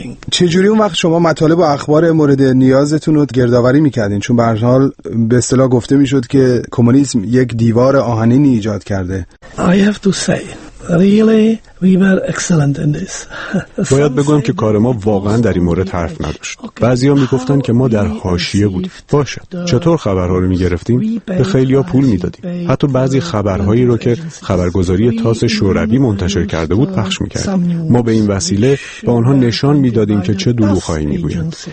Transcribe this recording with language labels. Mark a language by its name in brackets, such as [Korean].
[Persian] چه جوری اون وقت شما مطالب و اخبار مورد نیازتون رو گردآوری میکردین؟ چون به هر حال به اصطلاح گفته میشد که کمونیسم یک دیوار آهنینی ایجاد کرده. [English] I have to say, really, we were excellent in this. [Persian] باید بگویم که کار ما واقعا در این مورد حرف نداشت. بعضیا میگفتن که ما در حاشیه بودیم. باشه. چطور خبرها رو میگرفتیم؟ به خیلیا پول میدادیم. حتی بعضی خبرهایی رو که خبرگزاری تاس شوروی منتشر کرده بود پخش میکردیم. ما به این وسیله به آنها نشان میدادیم که چه دروغ‌هایی میگویند.